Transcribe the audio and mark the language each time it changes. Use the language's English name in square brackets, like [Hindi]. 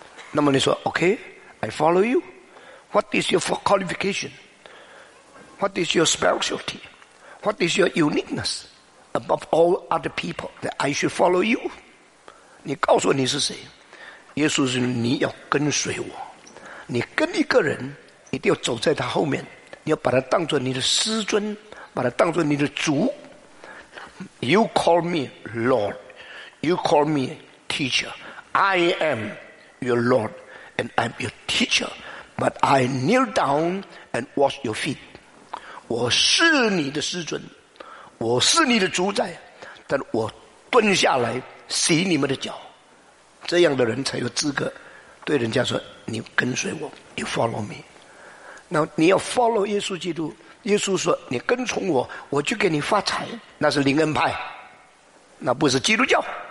[Chinese] 那么你说 [English] OK, I follow you, What is your qualification? What is your specialty? What is your uniqueness? Above all other people, that I should follow you? [Chinese] 你告诉我你是谁？耶稣说你要跟随我，你跟一个人一定要走在他后面，你要把他当作你的师尊，把他当作你的主。 [English] You call me Lord, You call me teacher, I am your Lord and I'm your teacher, But I kneel down and wash your feet. [Chinese] 我是你的师尊，我是你的主宰，但我蹲下来洗你们的脚。这样的人才有资格对人家说你跟随我， [English] You follow me。 [Chinese] 那你要 follow 耶稣基督，耶稣说你跟从我，我就给你发财，那是灵恩派，那不是基督教。